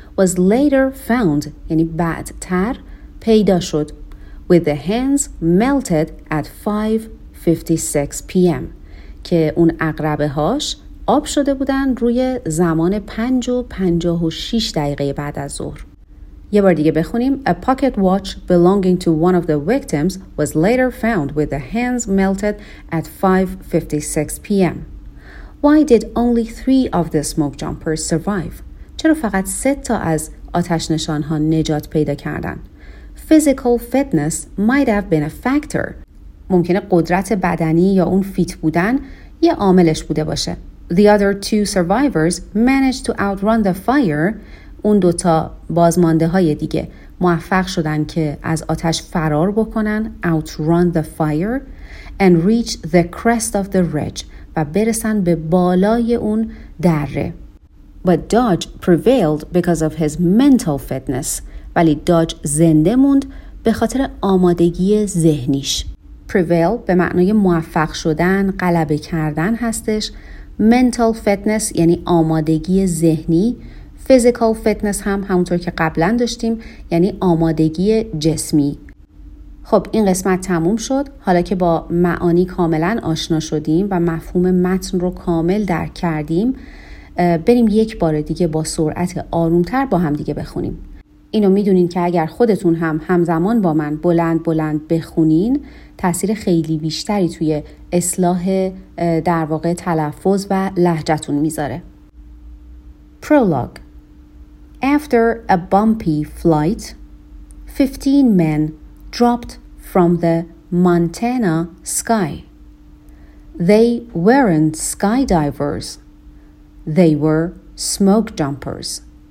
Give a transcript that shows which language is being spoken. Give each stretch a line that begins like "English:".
English: Was later found،
Persian: یعنی بعدتر پیدا شد.
English: With the hands melted at 5:56 p.m.
Persian: که اون عقربه هاش آب شده بودن روی زمان 5:56 دقیقه بعد از ظهر. یه بار دیگه بخونیم.
English: A pocket watch belonging to one of the victims was later found with the hands melted at 5:56 p.m. Why did only 3 of the smoke jumpers survive؟
Persian: چرا فقط 3 تا از آتش نشان ها نجات پیدا کردن؟
English: Physical fitness might have been a factor.
Persian: ممکنه قدرت بدنی یا اون فیت بودن یه عاملش بوده باشه.
English: The other 2 survivors managed to outrun the fire.
Persian: اون دوتا بازمانده های دیگه موفق شدن که از آتش فرار بکنن.
English: Outrun the fire and reach the crest of the ridge.
Persian: و برسن به بالای اون دره.
English: But Dodge prevailed because of his mental fitness.
Persian: ولی Dodge زنده موند به خاطر آمادگی ذهنیش. Prevail به معنای موفق شدن، غلبه کردن هستش.
English: Mental fitness
Persian: یعنی آمادگی ذهنی.
English: Physical fitness
Persian: هم همونطور که قبلا داشتیم یعنی آمادگی جسمی. خب این قسمت تموم شد. حالا که با معانی کاملا آشنا شدیم و مفهوم متن رو کامل درک کردیم، بریم یک بار دیگه با سرعت آرومتر با هم دیگه بخونیم. اینو میدونین که اگر خودتون هم همزمان با من بلند بلند بخونین، تأثیر خیلی بیشتری توی اصلاح در واقع تلفظ و لهجتون میذاره.
English: Prologue. After a bumpy flight, 15 men dropped from the Montana sky. They weren't skydivers. They were smoke jumpers.